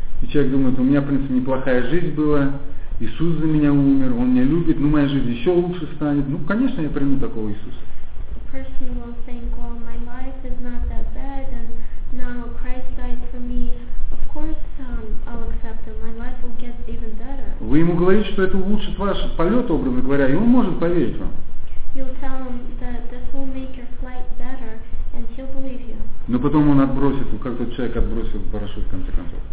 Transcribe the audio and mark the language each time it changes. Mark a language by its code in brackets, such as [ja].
[ru] И человек думает, у меня, в принципе, неплохая жизнь была. Иисус за меня умер, он меня любит, но моя жизнь еще лучше станет. Ну, конечно, я приму такого Иисуса. [en] The person will think, well, my life is not that bad and now Christ died for me. Of course, I'll accept him. My life will get even better. [ru] Вы ему говорите, что это улучшит ваш полет, образно говоря, и он может поверить вам. [en] You'll tell him that this will make your flight better, and he'll believe [ru] Но потом он отбросит, как тот человек отбросил парашют в конце концов.